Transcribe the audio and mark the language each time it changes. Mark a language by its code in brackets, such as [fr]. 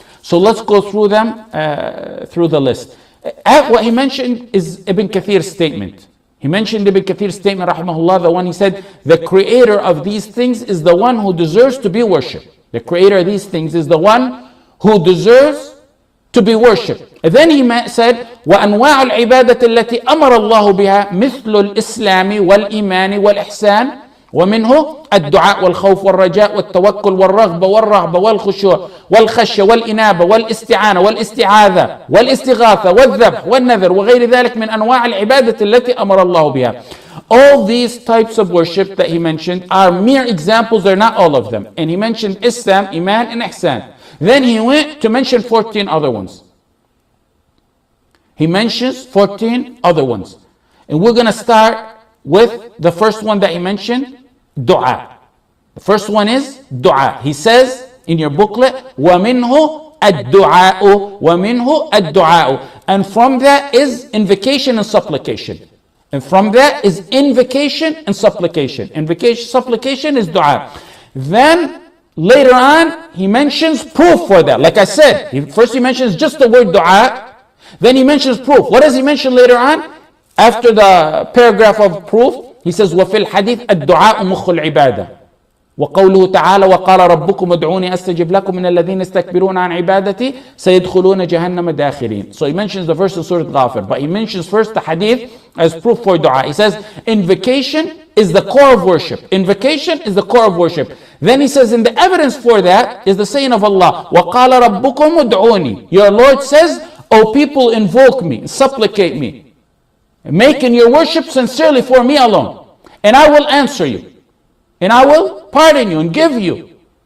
[en] So let's go through them, through the list. What he mentioned is Ibn Kathir's statement. He mentioned Ibn Kathir's statement, rahmahullah, the one he said, the creator of these things is the one who deserves to be worshipped. The creator of these things is the one who deserves to be worshipped. [ar] And then he said, وَأَنْوَاعُ الْعِبَادَةِ الَّتِي أَمَرَ اللَّهُ بِهَا مِثْلُ الْإِسْلَامِ وَالْإِمَانِ وَالْإِحْسَانِ ومنه الدعاء والخوف والرجاء والتوكل والرغبة والرهبة والخشوع والخشية والإنابة والاستعانة والاستعاذة والاستغاثة والذبح والنذر وغير ذلك من أنواع العبادة التي أمر الله بها. [en] All these types of worship that he mentioned are mere examples, they're not all of them. And he mentioned Islam, Iman, and Ihsan. Then he went to mention 14 other ones. He mentions 14 other ones. And we're going to start with the first one that he mentioned, dua. The first one is dua. He says in your booklet, [ar] وَمِنْهُ الدُّعَاءُ وَمِنْهُ الدُّعَاءُ. [en] And from that is invocation and supplication. And from that is invocation and supplication. Invocation, supplication is dua. Then later on, he mentions proof for that. Like I said, he mentions just the word dua. Then he mentions proof. What does he mention later on? After the paragraph of proof, he says, [ar] وَفِي الْحَدِيثِ الدُّعَاءُ مُخُّ الْعِبَادَةِ. وقوله تعالى وقال ربكم ادعوني استجب لكم من الذين استكبرون عن عبادتي سيدخلون جهنم داخلين. [en] So he mentions the verse in Surah Ghafir, but he mentions first the hadith as proof for dua. He says invocation is the core of worship. Invocation is the core of worship. Then he says in the evidence for that is the saying of Allah [ar] وقال ربكم ادعوني. [en] Your Lord says, O people, invoke me, supplicate me, making your worship sincerely for me alone, and I will answer you, and I will pardon you and give you.